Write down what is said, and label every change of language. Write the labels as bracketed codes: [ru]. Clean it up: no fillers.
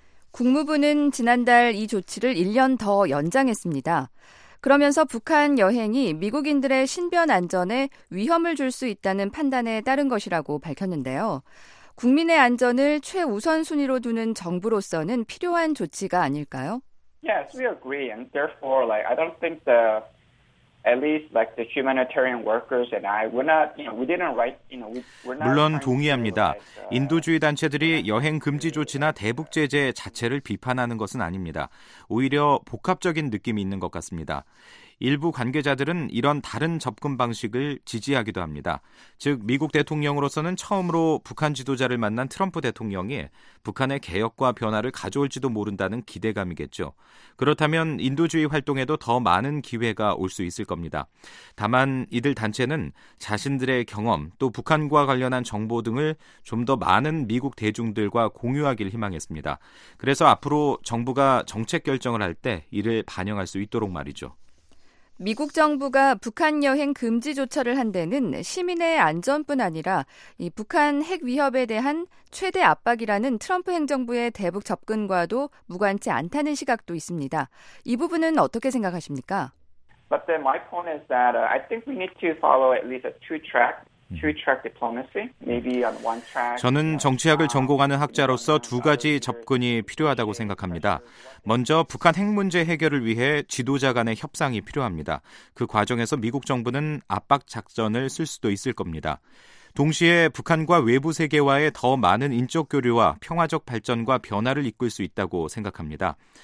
[ko] 국무부는 지난달 이 조치를 1년 더 연장했습니다. 그러면서 북한 여행이 미국인들의 신변 안전에 위험을 줄 수 있다는 판단에 따른 것이라고 밝혔는데요. 국민의 안전을 최우선순위로 두는 정부로서는 필요한 조치가 아닐까요? [en] Yes, we agree. And therefore, like, I don't think the, at least, like, the humanitarian workers and I, we're not, you know, we didn't write, you know, we're not. [ko] 물론 동의합니다. 인도주의 단체들이 여행 금지 조치나 대북 제재 자체를 비판하는 것은 아닙니다. 오히려 복합적인 느낌이 있는 것 같습니다. 일부 관계자들은 이런 다른 접근 방식을 지지하기도 합니다. 즉 미국 대통령으로서는 처음으로 북한 지도자를 만난 트럼프 대통령이 북한의 개혁과 변화를 가져올지도 모른다는 기대감이겠죠. 그렇다면 인도주의 활동에도 더 많은 기회가 올 수 있을 겁니다. 다만 이들 단체는 자신들의 경험 또 북한과 관련한 정보 등을 좀 더 많은 미국 대중들과 공유하길 희망했습니다. 그래서 앞으로 정부가 정책 결정을 할 때 이를 반영할 수 있도록 말이죠. 미국 정부가 북한 여행 금지 조처를 한 데는 시민의 안전뿐 아니라 이 북한 핵 위협에 대한 최대 압박이라는 트럼프 행정부의 대북 접근과도 무관치 않다는 시각도 있습니다. 이 부분은 어떻게 생각하십니까? [en] But then my point is that I think we need to follow at least a two-track. Two-track diplomacy, maybe on one track. [ko] 저는 정치학을 전공하는 학자로서 두 가지 접근이 필요하다고 생각합니다. 먼저 북한 핵 문제 해결을 위해 지도자 간의 협상이 필요합니다. 그 과정에서 미국 정부는 압박 작전을 쓸 수도 있을 겁니다. 동시에 북한과 외부 세계와의 더 많은 인적 교류와 평화적 발전과 변화를 이끌 수 있다고 생각합니다.